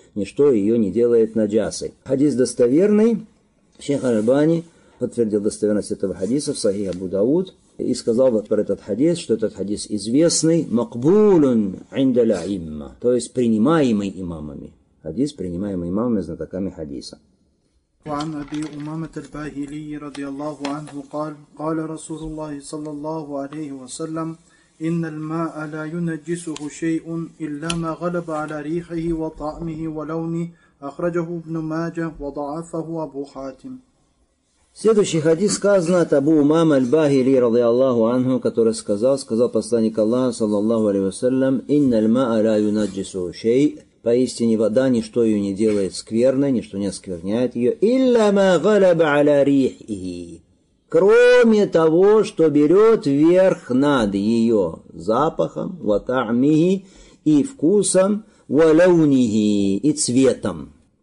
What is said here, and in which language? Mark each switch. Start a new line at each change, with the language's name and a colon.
Russian: Ничто ее не делает наджасой. Хадис достоверный, шейх аль-Альбани подтвердил достоверность этого хадиса в Сахих Абу Дауд и сказал вот про этот хадис, что этот хадис известный,
Arabic: макбулун индаля имма,
Russian: то есть принимаемый имамами. Хадис, принимаемый имамами, знатоками хадиса.
Arabic: وعن أبي أمامة الباهلي رضي الله عنه قال قال رسول الله صلى الله عليه وسلم إن الماء لا ينجسه شيء إلا ما غلب على ريحه وطعمه ولونه أخرجه ابن ماجه وضعفه أبو حاتم.
Russian: Следующий хадис сказан от Абу Умама аль-Бахили, ради Аллаху анху, который сказал посланник Аллаха, саллаллаху алейхи вассалям,
Arabic: «Инна аль-маа ля юнаджису шей».
Russian: Поистине вода ничто ее не делает скверной, ничто не оскверняет ее.
Arabic: «Илля ма галаба аля рихи».
Russian: Кроме того, что берет верх над ее запахом,
Arabic: «ва та'михи»,
Russian: и вкусом,
Arabic: «ва лаунихи»,
Russian: и цветом.